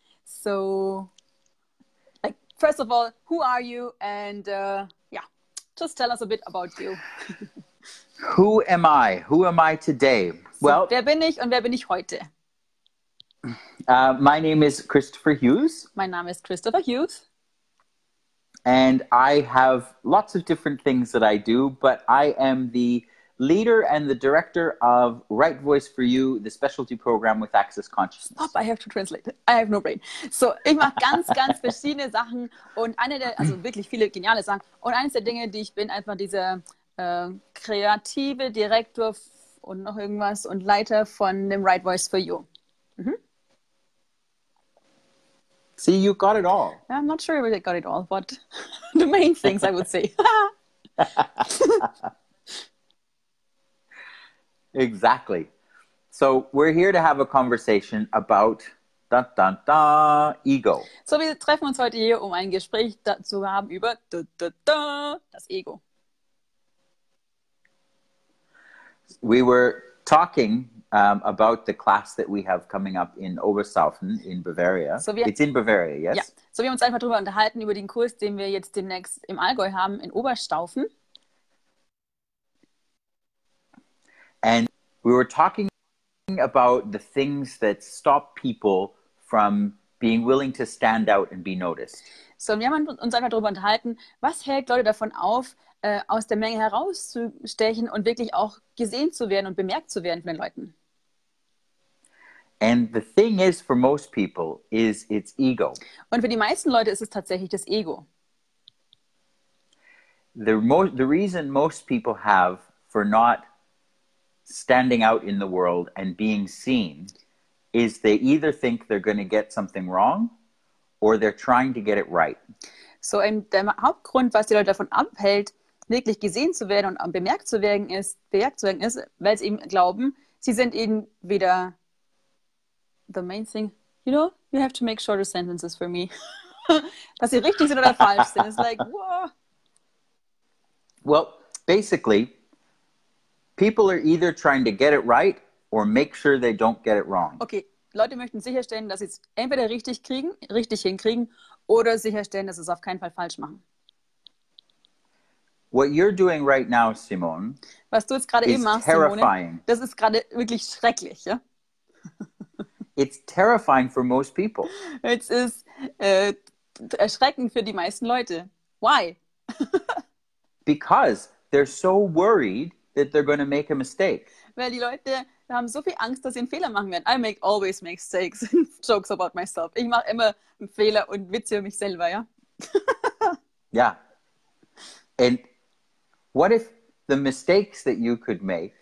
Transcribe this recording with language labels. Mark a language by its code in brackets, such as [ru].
[en] So, like, first of all, who are you? And yeah, just tell us a bit about you. Who am I? Who am I today? So, well, [de] wer bin ich und wer bin ich heute? [en] My name is Christopher Hughes. My name is Christopher Hughes. And I have lots of different things that I do, but I am the leader and the director of Right Voice for You, the specialty program with Access Consciousness. Stop, I have to translate. I have no brain. [de] So, ich mache ganz, ganz verschiedene Sachen und eine der, also wirklich viele geniale Sachen. Und eines der Dinge, die ich bin, einfach dieser kreative Direktor und noch irgendwas und Leiter von dem Right Voice for You. Mhm. [en] See, you got it all. I'm not sure if I got it all, but the main things I would say. Exactly. So we're here to have a conversation about da da da ego. [de] So wir treffen uns heute hier, um ein Gespräch dazu haben über da da da das Ego. [en] We were talking about the class that we have coming up in Oberstaufen in Bavaria. So it's in Bavaria, yes? Yeah. [de] So wir haben uns einfach darüber unterhalten, über den Kurs, den wir jetzt demnächst im Allgäu haben, in Oberstaufen. [en] And we were talking about the things that stop people from being willing to stand out and be noticed. [de] So wir haben uns einfach darüber unterhalten, was hält Leute davon auf, aus der Menge herauszustechen und wirklich auch gesehen zu werden und bemerkt zu werden von den Leuten. [en] And the thing is, for most people, is it's ego. [de] Und für die meisten Leute ist es tatsächlich das Ego. [en] The reason most people have for not standing out in the world and being seen is they either think they're going to get something wrong or they're trying to get it right. [de] So der Hauptgrund, was die Leute davon abhält, wirklich gesehen zu werden und bemerkt zu werden ist, weil sie ihm glauben, sie sind eben wieder [en] the main thing, you know, you have to make shorter sentences for me. [de] Dass sie richtig sind oder falsch sind. [en] It's like, whoa. Well, basically, people are either trying to get it right or make sure they don't get it wrong. [de] Okay, Leute möchten sicherstellen, dass sie es entweder richtig hinkriegen oder sicherstellen, dass sie es auf keinen Fall falsch machen. [en] What you're doing right now, Simone, [de] was du jetzt gerade eben machst, [en] terrifying. [de] Simone, das ist gerade wirklich schrecklich. Ja? [en] It's terrifying for most people. [de] Es ist erschreckend für die meisten Leute. [en] Why? Because they're so worried that they're going to make a mistake. [de] Weil die Leute haben so viel Angst, dass sie einen Fehler machen werden. [en] I always make mistakes and jokes about myself. [de] Ich mache immer einen Fehler und Witze über mich selber, ja? Ja. [en] Yeah. And what if the mistakes that you could make,